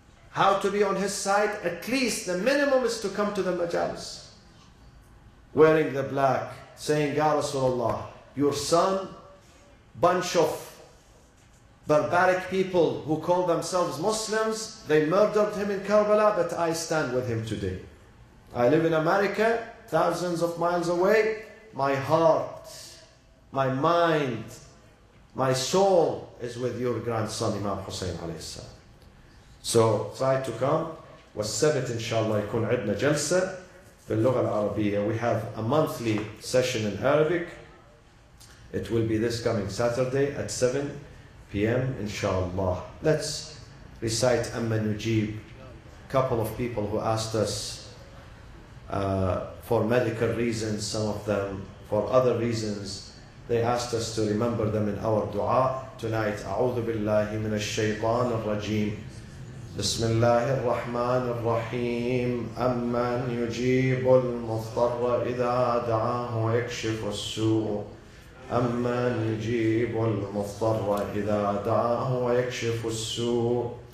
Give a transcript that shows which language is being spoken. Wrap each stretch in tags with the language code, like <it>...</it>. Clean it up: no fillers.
<en>How to be on his side? At least the minimum is to come to the majalis, wearing the black, saying, Ya Rasulullah, your son, bunch of barbaric people who call themselves Muslims, they murdered him in Karbala, but I stand with him today. I live in America, thousands of miles away. My heart, my mind, my soul is with your grandson, Imam Hussein alayhi salam. So try to come.</en> <ar>والسبت inshallah يكون عندنا جلسة باللغة العربية.</ar> <en>We have a monthly session in Arabic. It will be this coming Saturday at 7 p.m. inshallah. Let's recite Amma Nujib. Couple of people who asked us for medical reasons, some of them for other reasons, they asked us to remember them in our dua tonight.</en> <ar>A'udhu billahi min ash-shaytan ar-rajim. بسم الله الرحمن الرحيم أمن يجيب المضطر إذا دعاه ويكشف السوء أمن يجيب المضطر إذا دعاه ويكشف السوء</ar>